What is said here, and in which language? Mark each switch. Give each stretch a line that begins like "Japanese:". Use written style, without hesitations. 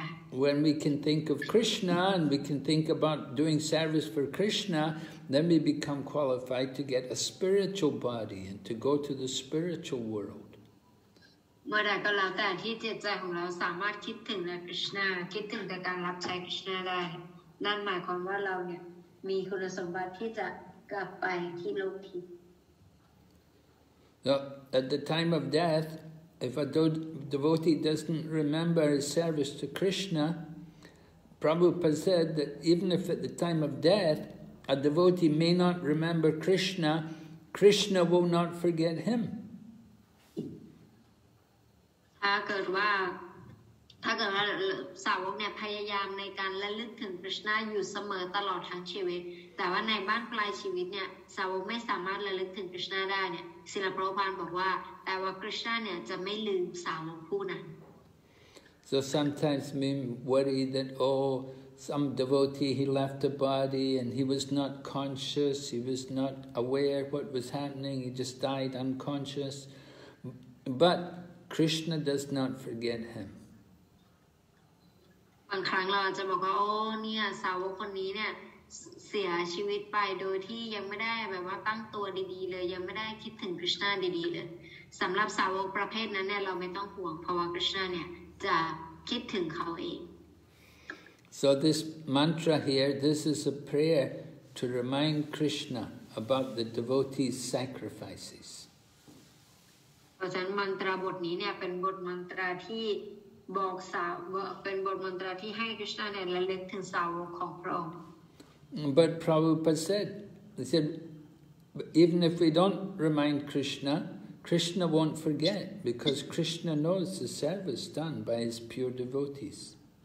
English: When we can think of Krishna and we can think about doing service for Krishna, then we become qualified to get a spiritual body and to go to the spiritual world.
Thai: เมื่อใดก็แล้วแต่ที่จิตใจของเราสามารถคิดถึงในคริสนาคิดถึงในการรับใช้คริสนาได้นั่นหมายความว่าเราเนี่ยมีคุณสมบัติที่จะกลับไปที่โลกทิพย์
English: At the time of death if a devotee doesn't remember his service to Krishna Prabhupada said that even if at the time of death a devotee may not remember Krishna Krishna will not forget him
Thai: ถ้าเกิดว่าถ้าเกิดว่าสาวกเนี่ยพยายามในการระลึกถึงคริสนาอยู่เสมอตลอดทั้งชีวิตแต่ว่าในบ้านปลายชีวิตเนี่ยสาวกไม่สามารถระลึกถึงคริสนาได้เนี่ยศิลปราชญ์บอกว่าแต่ว่าคริสนาเนี่ยจะไม่ลืมสาวกผู้นั้น
English: So sometimes we worry that oh some devotee he left a body and he was not conscious he was not aware what was happening he just died unconscious but Krishna does not forget him.
Thai: บางครั้งเราจะบอกว่าโอ้เนี่ยสาวกคนนี้เนี่ยเสียชีวิตไปโดยที่ยังไม่ได้แบบว่าตั้งตัวดีๆเลยยังไม่ได้คิดถึงคริสนาดีๆเลยสำหรับสาวกประเภทนั้นเนี่ยเราไม่ต้องห่วงเพราะว่าคริสนาเนี่ยจะคิดถึงเขาเอง
English: So this mantra here, this is a prayer to remind Krishna about the devotee's sacrifices.
Thai: เพราะฉะนั้นมนตราบทนี้เนี่ยเป็นบทมนตราที่บอกสาวเป็นบทมนตราที่ให้คริสต์เนี่ยระลึกถึงสาวกของพระองค์
English: But Prabhupada said, he said, even if we don't remind Krishna, Krishna won't forget because Krishna knows the service done by his pure devotees.